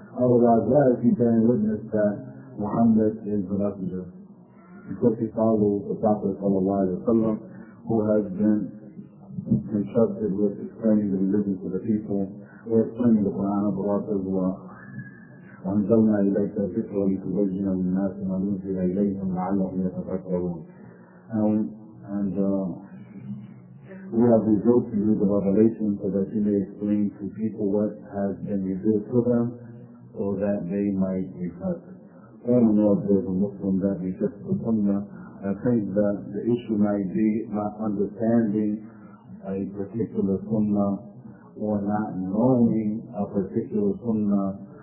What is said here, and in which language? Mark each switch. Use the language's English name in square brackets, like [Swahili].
[English] Otherwise, why is he bearing witness that Muhammad is the Messenger? Because he follows the Prophet sallallahu alayhi wa sallam, who has been entrusted with explaining the religion to the people, or explaining the Quran of Allah as well. [Arabic] وأنزلنا إليك الذكر لتبين للناس ما نزل إليهم لعلهم يتفكرون. [English] And we have revealed to you the revelation so that you may explain to people what has been revealed to them so that they might repent. All in all, there's a Muslim that rejects the Sunnah. I think that the issue might be not understanding a particular Sunnah or not knowing a particular Sunnah.